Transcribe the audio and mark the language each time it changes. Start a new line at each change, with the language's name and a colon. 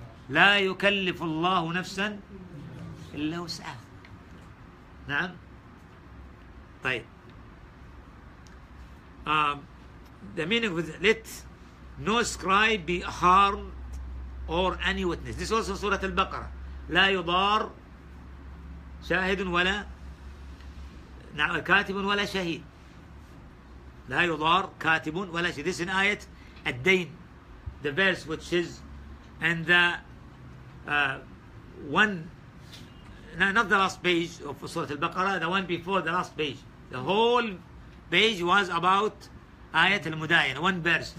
Arabic: لا يكلف الله نفسا إلا وسعها. نعم. طيب.
English: The meaning of the, let no scribe be harmed or any witness. This also
Arabic: سورة البقرة. لا يضار شاهد ولا كاتب ولا شهيد. لا يضار كاتب ولا شهيد.
English: This is an ayat الدين. The verse which is and the not the last page of Surah Al-Baqarah, the one before the last page. The whole page was about Ayat Al-Mudayin, one verse.